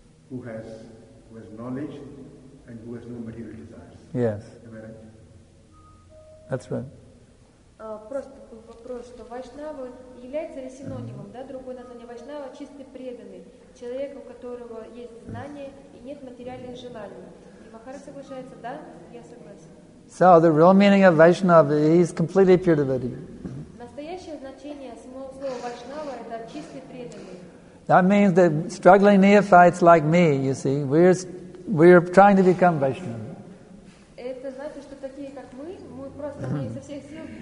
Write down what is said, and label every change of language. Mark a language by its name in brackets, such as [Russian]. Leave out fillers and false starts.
[English] Who has knowledge and who has no material desires. Yes. Am I right? That's right. [Russian] Просто вопрос, что Вайшнава является ли синонимом, да, другое название Вайшнава – чистый преданный, человек, у которого есть знания и нет материальных желаний. И Махара соглашается, да, я согласен. [English] So, the real meaning of Vaishnava is completely pure devotee. [Russian] Настоящее значение самого слова Вайшнава – это чистый преданный. [English] That means that struggling neophytes like me, you see, we're trying to become Vaishnava. [Russian] Это значит, что такие, как мы просто не со всех сил.